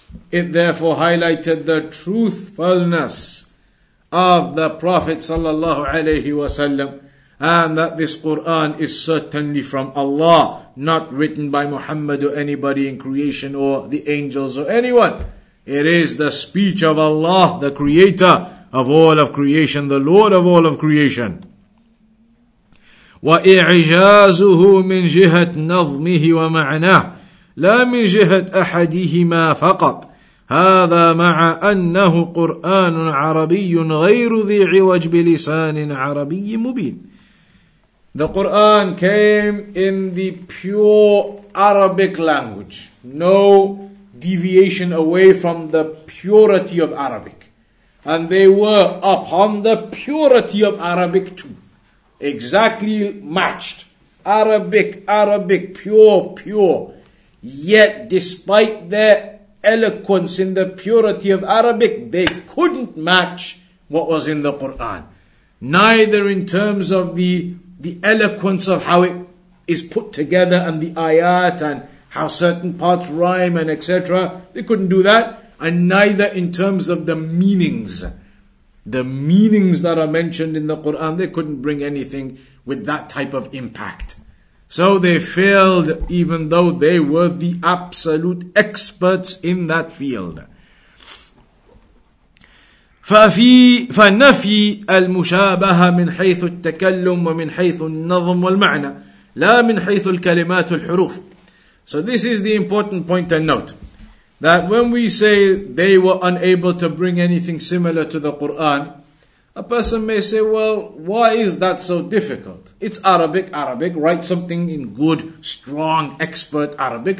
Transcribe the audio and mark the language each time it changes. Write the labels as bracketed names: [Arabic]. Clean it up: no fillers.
[English] It therefore highlighted the truthfulness of the Prophet sallallahu alayhi wa sallam, and that this Quran is certainly from Allah, not written by Muhammad or anybody in creation or the angels or anyone. It is the speech of Allah, the creator of all of creation, the Lord of all of creation. [Arabic] وَإِعْجَازُهُ مِنْ جِهَةْ نَظْمِهِ وَمَعْنَاهُ لَا مِنْ جِهَةْ أَحَدِهِمَا فَقَطْ هذا مع أنه قرآن عربي غير ذي عوج بلسان عربي مبين. [English] The Quran came in the pure Arabic language. No deviation away from the purity of Arabic. And they were upon the purity of Arabic too. Exactly matched. Arabic, pure. Yet despite their eloquence in the purity of Arabic, they couldn't match what was in the Quran. Neither in terms of the eloquence of how it is put together and the ayat and how certain parts rhyme and etc. They couldn't do that. And neither in terms of the meanings. The meanings that are mentioned in the Quran, they couldn't bring anything with that type of impact. So they failed, even though they were the absolute experts in that field. [Arabic] فنفي المشابهة من حيث التكلم ومن حيث النظم والمعنى لا من حيث الكلمات والحروف. [English] So this is the important point to note, that when we say they were unable to bring anything similar to the Quran, a person may say, well, why is that so difficult? It's Arabic. Write something in good, strong, expert Arabic.